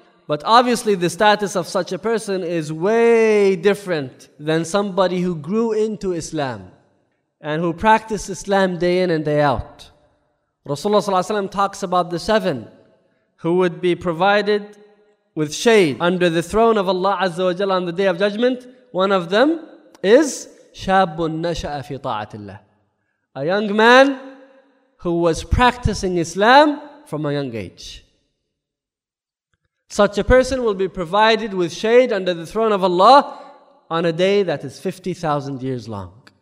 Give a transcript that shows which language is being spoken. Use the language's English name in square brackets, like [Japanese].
[English] But obviously the status of such a person is way different than somebody who grew into Islam and who practiced Islam day in and day out. Rasulullah Sallallahu Alaihi Wasallam talks about the seven who would be provided with shade under the throne of Allah Azza wa Jalla on the Day of Judgment. One of them is [Arabic] شَابٌ نَشَأَ فِي طَاعَةِ اللَّهِ. [English] A young man who was practicing Islam from a young age. Such a person will be provided with shade under the throne of Allah on a day that is 50,000 years long.